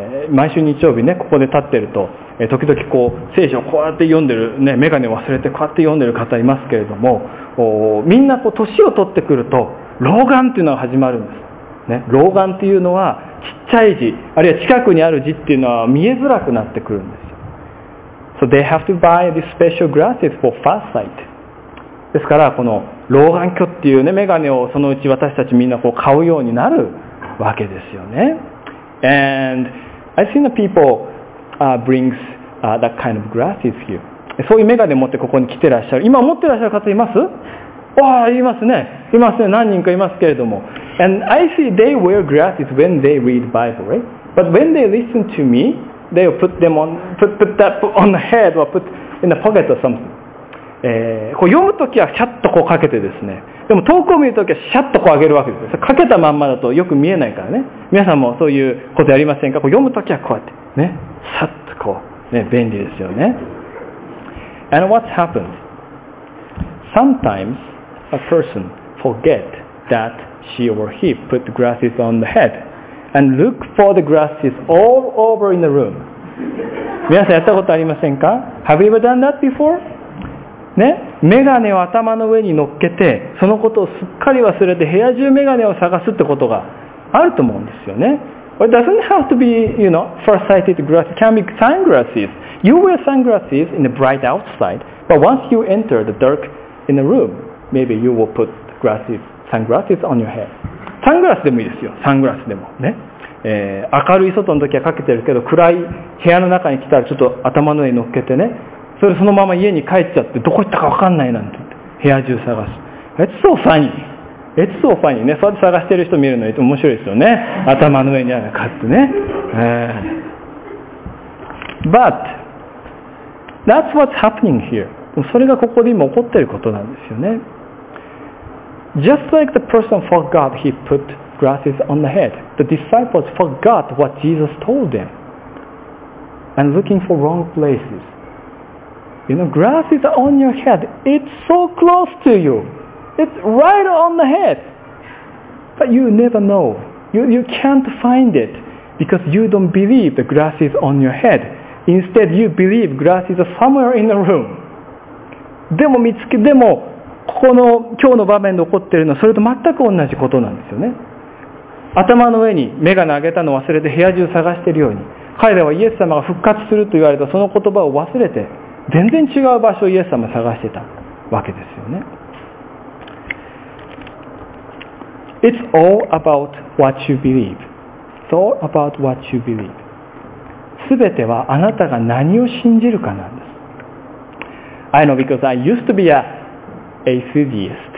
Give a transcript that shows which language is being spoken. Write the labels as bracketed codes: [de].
[ja] 毎週日曜日ね、ここで立ってると、時々こう聖書をこうやって読んでるね、眼鏡忘れてこうやって読んでる方いますけれども、みんなこう年を取ってくると老眼っていうのが始まるんです、ね、老眼っていうのはちっちゃい字あるいは近くにある字っていうのは見えづらくなってくるんですよ。 [en] So they have to buy these special glasses for first sight。 [ja] ですからこの老眼鏡っていうね、眼鏡をそのうち私たちみんなこう買うようになるわけですよね。 [en] And I've seen the people brings that kind of glasses here. [ja] そういうメガネ持ってここに来てらっしゃる。今持ってらっしゃる方います？ああ、いますね。いますね。何人かいますけれども。 [en] And I see they wear glasses when they read Bible, right? But when they listen to me, they will put them on, put that on the head or put in the pocket or something. [ja] こう読むときはシャッとこうかけてですね、でも遠くを見るときはシャッとこう上げるわけです。かけたまんまだとよく見えないからね。皆さんもそういうことやりませんか？こう読むときはこうやってね、シャッとこうね、便利ですよね。 [en] And what's happened? Sometimes a person forget that she or he put the glasses on the head and look for the glasses all over in the room. [ja] 皆さんやったことありませんか？ [en] Have you ever done that before? [ja] ね、メガネを頭の上に乗っけて、そのことをすっかり忘れて部屋中メガネを探すってことがあると思うんですよね。 [en] It doesn't have to be, you know, far-sighted glasses. It can be sunglasses. You wear sunglasses in the bright outside, but once you enter the dark in the room, maybe you will put glasses, sunglasses on your head. [ja] サングラスでもいいですよ。サングラスでもね。明るい外の時はかけてるけど、暗い部屋の中に来たらちょっと頭の上に乗っけてね。それそのまま家に帰っちゃってどこ行ったか分かんないなんて言って部屋中探す。 [en] It's so funny. It's so funny. [ja] ね、そうやって探してる人見るの面白いですよね。頭の上にあるかってね。 [en] But that's what's happening here. [ja] それがここで今起こっていることなんですよね。 [en] Just like the person forgot he put glasses on the head, the disciples forgot what Jesus told them and looking for wrong placesYou know, grass is on your head. It's so close to you. It's right on the head. But you never know. You can't find it because you don't believe the grass is on your head. Instead, you believe grass is somewhere in the room. [ja] でも見つけ、でも、この今日の場面で起こっているのはそれと全く同じことなんですよね。頭の上に眼鏡上げたのを忘れて部屋中探しているように、彼らはイエス様が復活すると言われたその言葉を忘れて、全然違う場所をイエス様探してたわけですよね。 [en] It's all about what you believe. It's all about what you believe. [ja] 全てはあなたが何を信じるかなんです。 [en] I know because I used to be an atheist.